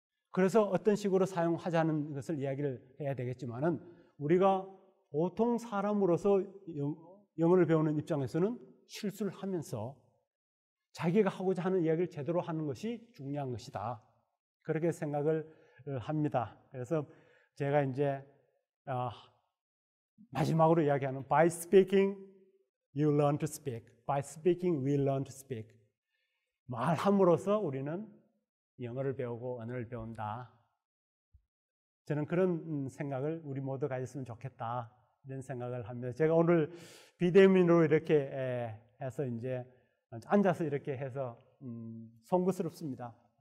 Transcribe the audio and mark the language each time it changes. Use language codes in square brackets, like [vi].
[ko] 그래서 어떤 식으로 사용하자는 것을 이야기를 해야 되겠지만은 우리가 보통 사람으로서 영어를 배우는 입장에서는 실수를 하면서 자기가 하고자 하는 이야기를 제대로 하는 것이 중요한 것이다. 그렇게 생각을 합니다. 그래서 제가 이제 마지막으로 이야기하는 [en] By speaking, you learn to speak. By speaking, we learn to speak. [ko] 말함으로써 우리는 영어를 배우고 언어를 배운다. 저는 그런 생각을 우리 모두 가졌으면 좋겠다. 이런 생각을 합니다. 제가 오늘 비대면으로 이렇게 해서 이제 앉아서 이렇게 해서 송구스럽습니다.